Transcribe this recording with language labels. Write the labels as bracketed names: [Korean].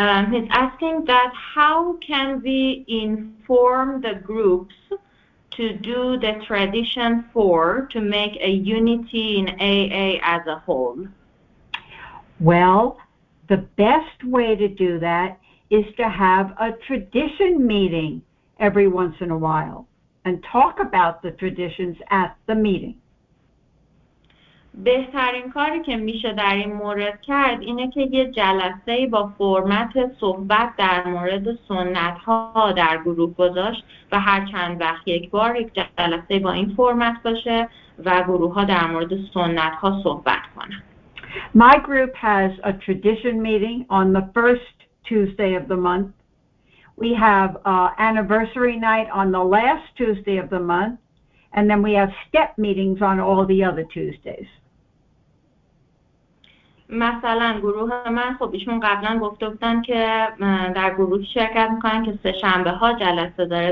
[English] He's asking that how can we inform the groups to do the tradition four to make a unity in AA as a whole? Well, the best way to do that is to have a tradition meeting every once in a while and talk about the traditions at the meeting. [Persian] بهترین کاری که میشه در این مورد کرد اینه که یه جلسه با فرمت صحبت در مورد سنت ها در گروه گذاشت و هر چند وقت یک بار یک جلسه با این فرمت باشه و گروه ها در مورد سنت ها صحبت کنن. [English] My group has a tradition meeting on the first Tuesday of the month. We have anniversary night on the last Tuesday of the month. And then we have step meetings on all the other Tuesdays. [Persian] مثلا گروه من خب ایشون قبلا گفته بودن که در گروه شرکت میکنن که سه شنبه ها جلسه داره.